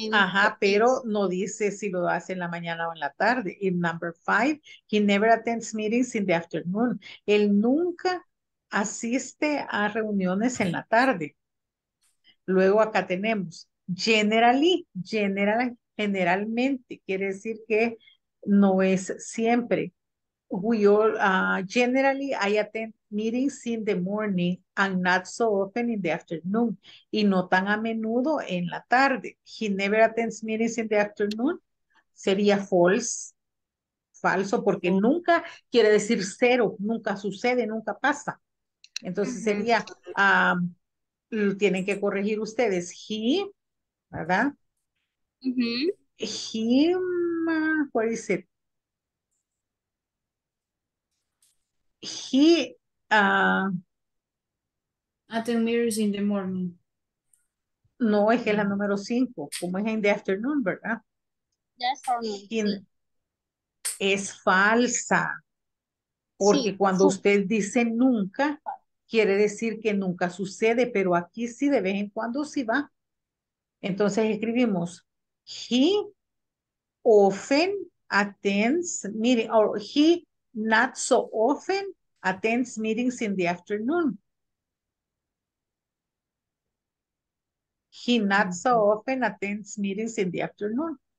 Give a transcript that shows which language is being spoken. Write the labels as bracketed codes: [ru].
[es] Ajá, pero no dice si lo hace en la mañana o en la tarde. [en] In number five, he never attends meetings in the afternoon. [es] Él nunca asiste a reuniones en la tarde. Luego acá tenemos generalmente, quiere decir que no es siempre. [en] We all, generally, I attend meetings in the morning and not so often in the afternoon. [es] Y no tan a menudo en la tarde. [en] He never attends meetings in the afternoon. Sería false. [es] Falso, porque nunca quiere decir cero. Nunca sucede, nunca pasa. Entonces sería, tienen que corregir ustedes. [en] He, ¿verdad? Him, what is it? He attend meetings in the morning. [es] No, es que es la número 5. Como es [en] in the afternoon, [es] ¿verdad? [en] Yes, [es] es falsa. Porque sí, cuando sí. Usted dice nunca, quiere decir que nunca sucede, pero aquí sí, de vez en cuando sí va. [en] Entonces escribimos he often attends meeting, or he not so often attends meetings in the afternoon. He not so often attends meetings in the afternoon.